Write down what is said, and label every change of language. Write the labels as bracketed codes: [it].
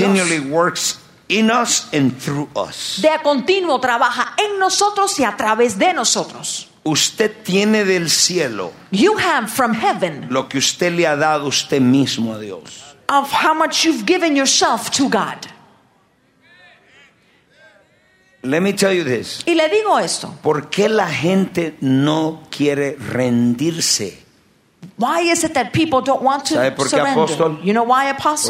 [en] He continually works in us and through us. [es] De a continuo trabaja en nosotros y a través de nosotros. Usted tiene del cielo. [en] You have from heaven. [es] Lo que usted le ha dado usted mismo a Dios. [en] Of how much you've given yourself to God. Let me tell you this. [es] Y le digo esto. ¿Por qué la gente no quiere rendirse? [en] Why is it that people don't want to [es] ¿sabe por qué, [en] surrender? [es] Apóstol? [en] You know why, apostle?